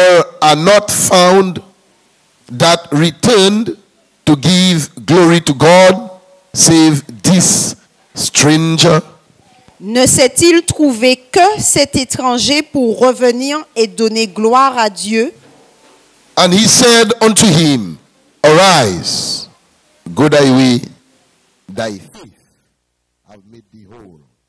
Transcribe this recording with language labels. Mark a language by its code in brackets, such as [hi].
[en] There are not found that returned to give glory to God, save this stranger. [fr] Ne s'est-il trouvé que cet étranger pour revenir et donner gloire à Dieu? [en] And he said unto him, Arise, go thy way, thy faith have made thee whole.